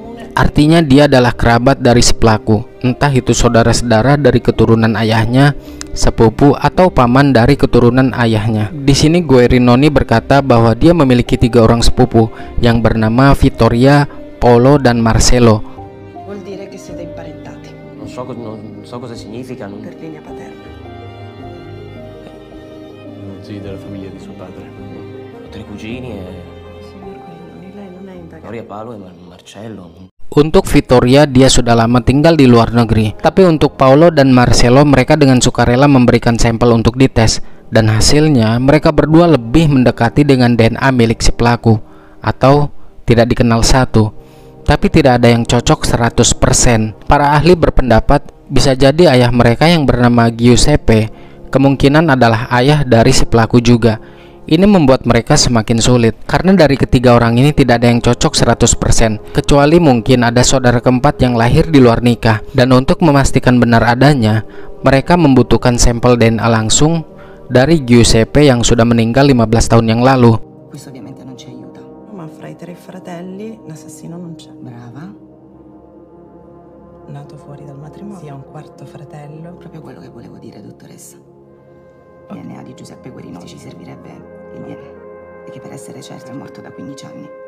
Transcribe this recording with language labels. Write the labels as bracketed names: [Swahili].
[Indonesian] Artinya dia adalah kerabat dari si pelaku. Entah itu saudara-saudara dari keturunan ayahnya, sepupu atau paman dari keturunan ayahnya. Di sini Guirinoni berkata bahwa dia memiliki 3 orang sepupu yang bernama Vittoria, Paolo dan Marcelo. [Italian] Vuol dire che siete imparentati. Non so cosa significa, non... per linea paterna. Uno zio della famiglia di suo padre. Tre cugini e signor Guirinoni, lei non è indagato. Vittoria, Paolo e Marcelo. [Indonesian] Untuk Vittoria, dia sudah lama tinggal di luar negeri. Tapi untuk Paolo dan Marcelo, mereka dengan sukarela memberikan sampel untuk dites. Dan hasilnya, mereka berdua lebih mendekati dengan DNA milik si pelaku. Atau tidak dikenal satu. Tapi tidak ada yang cocok 100%. Para ahli berpendapat, bisa jadi ayah mereka yang bernama Giuseppe, kemungkinan adalah ayah dari si pelaku juga. Ini membuat mereka semakin sulit, karena dari ketiga orang ini tidak ada yang cocok 100%, kecuali mungkin ada saudara keempat yang lahir di luar nikah. Dan untuk memastikan benar adanya, mereka membutuhkan sampel DNA langsung dari Giuseppe yang sudah meninggal 15 tahun yang lalu. [Italian] Questo ovviamente non ci aiuta. Ma fra i tre fratelli, l'assassino non c'è. Brava. Nato fuori dal matrimonio. Sì, ha un quarto fratello. Proprio quello che volevo dire, dottoressa. DNA di Giuseppe Guirinoni ci servirebbe il DNA, perché per essere certo è morto da 15 anni.